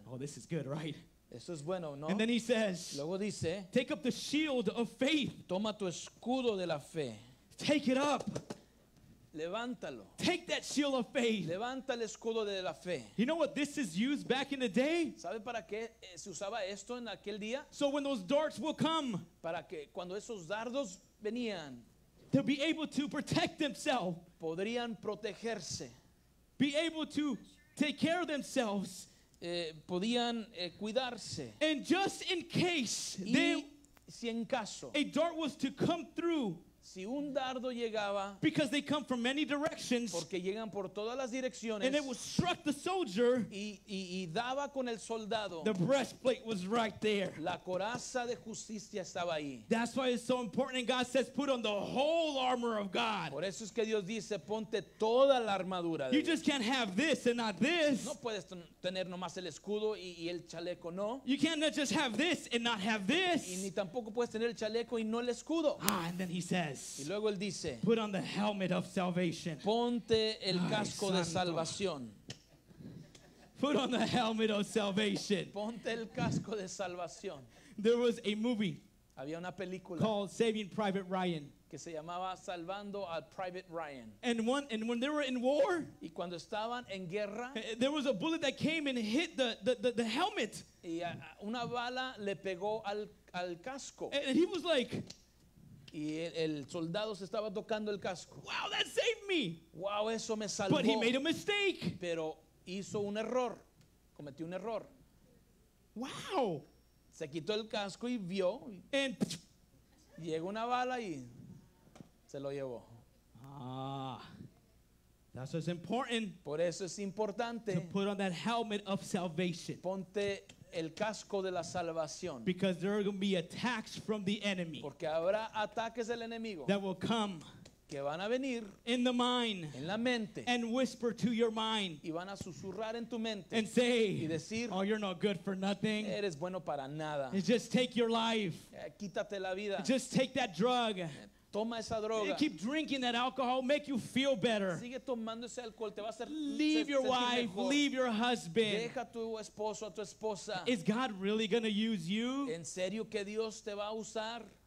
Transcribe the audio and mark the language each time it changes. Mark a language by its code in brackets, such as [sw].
[en] Oh, this is good, right? [es] Eso es bueno, ¿no? [en] And then he says, [es] luego dice, [en] take up the shield of faith. [es] Toma tu escudo de la fe. [en] Take it up. [es] Levántalo. [en] Take that shield of faith. [es] Levanta el escudo de la fe. [en] You know what this is used back in the day? [es] ¿Sabe para qué se usaba esto en aquel día? [en] So when those darts will come, [es] para que cuando esos dardos venían, [en] they'll be able to protect themselves. [es] Podrían protegerse. [en] Be able to take care of themselves. [es] Podían cuidarse. [en] And just in case, [es] si en caso, [en] a dart was to come through. [es] Si un dardo llegaba, [en] because they come from many directions, [es] porque llegan por todas las direcciones, [en] and it was struck the soldier, [es] y daba con el soldado, [en] the breastplate was right there. [es] La coraza de justicia estaba ahí. [en] That's why it's so important, and God says, put on the whole armor of God. [es] Por eso es que Dios dice, ponte toda la armadura de [en] you [es] Dios. [en] Just can't have this and not this. [es] No puedes tener nomás el escudo y el chaleco, no. [en] You can't just have this and not have this. [es] Y ni tampoco puedes tener el chaleco y no el escudo. [en] Ah, and then he says, [es] y luego él dice, [en] put on the helmet of salvation. [es] Ponte el casco de salvación. [en] Put on the helmet of salvation. [es] Ponte el casco de salvación. [en] There was a movie. [es] Había una película [en] called Saving Private Ryan. [es] Que se llamaba Salvando al Private Ryan. [en] And when they were in war, [es] y cuando estaban en guerra, [en] there was a bullet that came and hit the helmet. [es] Y una bala le pegó al casco. [en] And he was like, [es] y el soldado se estaba tocando el casco. [en] Wow, that saved me. [es] Wow, eso me salvó. [en] But he made a mistake. [es] Pero hizo un error. Cometió un error. [en] Wow. [es] Se quitó el casco y vio. [en] And [es] llegó una bala y se lo llevó. [en] Ah. That's what's important. [es] Por eso es importante. [en] To put on that helmet of salvation. [es] Ponte el casco de la salvación. [en] Because there are going to be attacks from the enemy. [es] Porque habrá ataques del enemigo. [en] That will come. [es] Que van a venir. [en] In the mind. [es] En la mente. [en] And whisper to your mind. [es] Y van a susurrar en tu mente. [en] And say. [es] Y decir. [en] Oh, you're not good for nothing. [es] Eres bueno para nada. [en] Just take your life. [es] Quítate la vida. [en] Just take that drug. [es] Toma esa droga. [en] Keep drinking that alcohol, make you feel better. [es] Sigue tomando ese alcohol, te va a hacer [en] leave your wife, [es] mejor. [en] Leave your husband. [es] Deja tu esposo, tu esposa. [en] Is God really going to use you? [es] ¿En serio que Dios te va a usar?